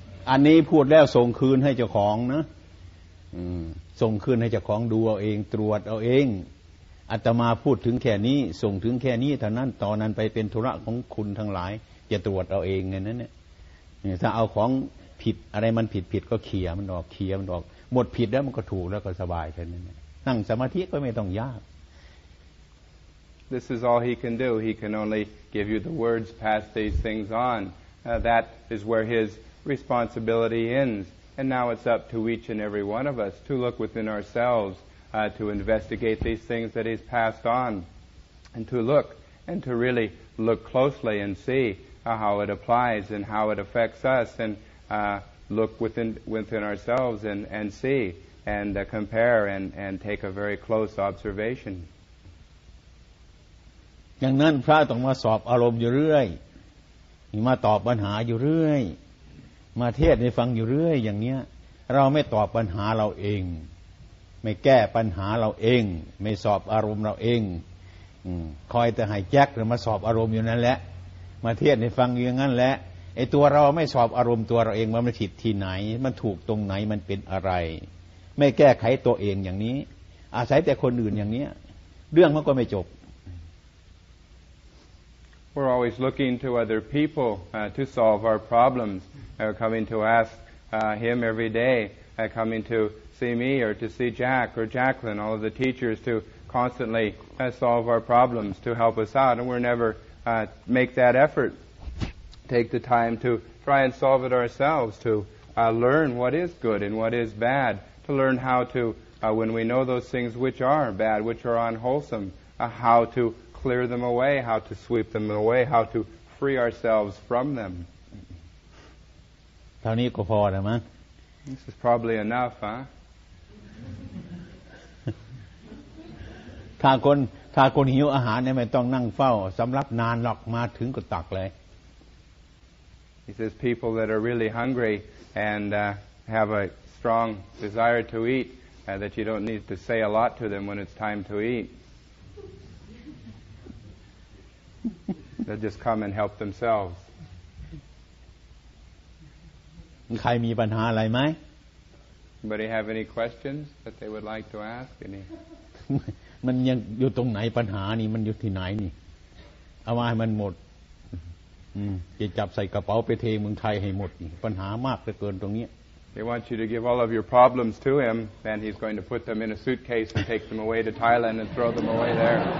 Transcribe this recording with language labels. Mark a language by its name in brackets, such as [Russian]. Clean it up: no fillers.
[Thai] อันนี้พูดแล้วส่งคืนให้เจ้าของนะส่งคืนให้เจ้าของดูเอาเองตรวจเอาเองอาตมาพูดถึงแค่นี้ส่งถึงแค่นี้เท่านั้นตอนนั้นไปเป็นธุระของคุณทั้งหลายจะตรวจเอาเองไงนั้นเนี่ยถ้าเอาของผิดอะไรมันผิดก็เคลียร์มันออกเคลียร์มันออกหมดผิดแล้วมันก็ถูกแล้วก็สบายแค่นั้นนั่งสมาธิก็ไม่ต้องยาก [English] This is all he can do he can only give you the words pass these things on that is where hisResponsibility ends, and now it's up to each and every one of us to look within ourselves to investigate these things that he's passed on, and to look and to really look closely and see how it applies and how it affects us, and look within ourselves and see and compare and take a very close observation. [Thai] ดังนั้นพระต้องมาสอบอารมณ์อยู่เรื่อยมาตอบปัญหาอยู่เรื่อยมาเทศน์ให้ฟังอยู่เรื่อยอย่างเนี้ยเราไม่ตอบปัญหาเราเองไม่แก้ปัญหาเราเองไม่สอบอารมณ์เราเองคอยแต่ให้แจ็คหรือมาสอบอารมณ์อยู่นั่นแหละมาเทศน์ให้ฟังอยู่งั้นแหละไอ้ตัวเราไม่สอบอารมณ์ตัวเราเองว่ามันผิดที่ไหนมันถูกตรงไหนมันเป็นอะไรไม่แก้ไขตัวเองอย่างนี้อาศัยแต่คนอื่นอย่างเนี้ยเรื่องมันก็ไม่จบ [English] We're always looking to other people to solve our problems, coming to ask him every day, coming to see me or to see Jack or Jacqueline, all of the teachers, to constantly solve our problems, to help us out. And we're never make that effort, take the time to try and solve it ourselves, to learn what is good and what is bad, to learn how to, when we know those things which are bad, which are unwholesome, how toclear them away, how to sweep them away, how to free ourselves from them. [Thai] เท่านี้ก็พอละมั้ง [English] This is probably enough, huh? [Thai] ถ้าคนหิวอาหารเนี่ยไม่ต้องนั่งเฝ้าสำรับนานหรอกมาถึงก็ตักเลย [English] He says people that are really hungry and have a strong desire to eat that you don't need to say a lot to them when it's time to eatThey'll just come and help themselves. [Thai] ใครมีปัญหาอะไรไหม [English] Anybody have any questions that they would like to ask? Any? [Thai] มันยังอยู่ตรงไหนปัญหานี่มันอยู่ที่ไหนนี่เอามาให้มันหมดจะจับใส่กระเป๋าไปเทเมืองไทยให้หมดปัญหามากเกินตรงนี้ [English] They want you to give all of your problems to him, and he's going to put them in a suitcase and take them away to Thailand and throw them away there.